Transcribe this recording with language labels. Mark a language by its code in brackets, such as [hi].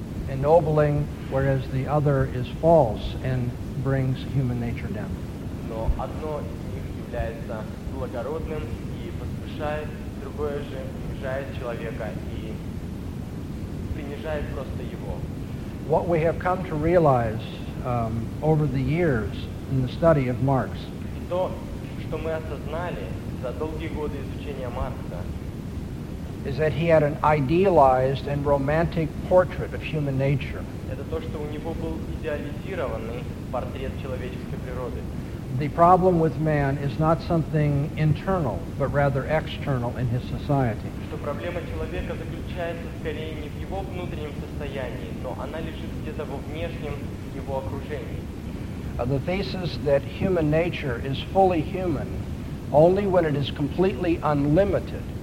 [en] ennobling, whereas the other is false and brings human nature down. [ru] Но одно из них является благородным и возвышает, другое же унижает человека и принижает просто его. [en] What we have come to realize over the years in the study of Marx. [ru] То, что мы осознали за долгие годы изучения Маркса, [en] is that he had an idealized and romantic portrait of human nature. [ru] Это то, что у него был идеализированный портрет человеческой природы. [en] The problem with man is not something internal, but rather external in his society. [ru] Что проблема человека заключается скорее не в его внутреннем состоянии, но она лежит где-то во внешнем его окружении. [en] The thesis that human nature is fully human only when it is completely unlimited.